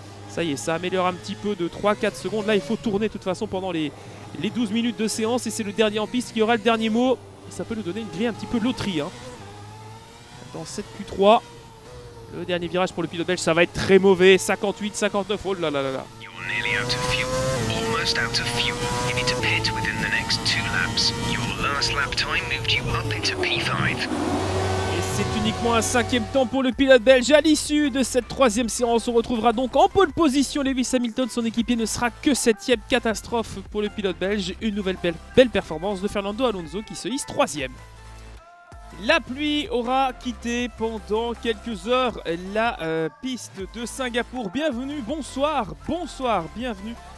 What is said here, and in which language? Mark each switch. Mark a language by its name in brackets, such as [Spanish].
[French] Ça y est, ça améliore un petit peu de 3-4 secondes. Là, il faut tourner de toute façon pendant les 12 minutes de séance. Et c'est le dernier en piste qui aura le dernier mot. Ça peut nous donner une grille un petit peu loterie hein. Dans cette Q3. Le dernier virage pour le pilote belge, ça va être très mauvais. [English] 58, 59, [French] oh là là là là. [English] You're nearly out of fuel. Almost out of fuel. You need to pit within the next 2 laps. Your last lap time moved you up into P5. [French] C'est uniquement un cinquième temps pour le pilote belge. À l'issue de cette troisième séance, on retrouvera donc en pole position Lewis Hamilton. Son équipier ne sera que septième. Catastrophe pour le pilote belge. Une nouvelle belle performance de Fernando Alonso qui se hisse troisième. La pluie aura quitté pendant quelques heures la piste de Singapour. Bienvenue, bonsoir, bienvenue